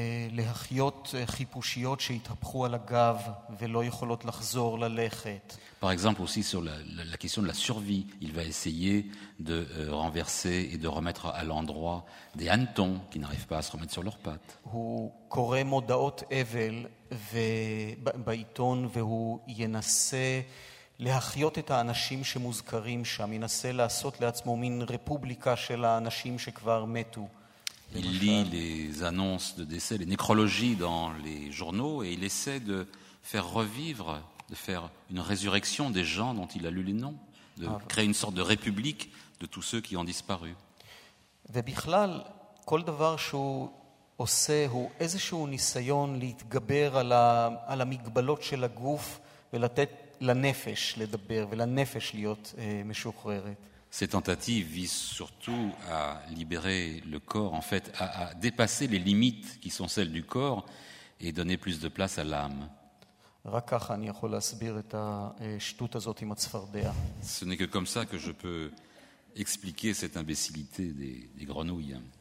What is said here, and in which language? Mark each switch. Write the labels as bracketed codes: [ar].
[he] להחיות חיפושיות שהתהפכו על הגב ולא יכולות לחזור ללכת. [fr] Par exemple aussi sur la question de la survie, il va essayer de renverser et de remettre à l'endroit des hannetons qui n'arrivent pas à se remettre sur leurs pattes. [he] הוא קורא מודעות אבל בעיתון והוא ינסה להחיות את האנשים שמוזכרים שם, ינסה לעשות לעצמו מין רפובליקה של האנשים שכבר מתו. [fr] Il lit les annonces de décès, les nécrologies dans les journaux et il essaie de faire revivre, de faire une résurrection des gens dont il a lu les noms, de créer une sorte de république de tous ceux qui ont disparu. [he] ובכלל, כל דבר שהוא עושה הוא איזשהו ניסיון להתגבר על המגבלות של הגוף ולתת לנפש לדבר ולנפש להיות משוחררת. [fr] Ces tentatives visent surtout à libérer le corps, en fait, à dépasser les limites qui sont celles du corps et donner plus de place à l'âme. Ce n'est que comme ça que je peux expliquer cette imbécilité des grenouilles.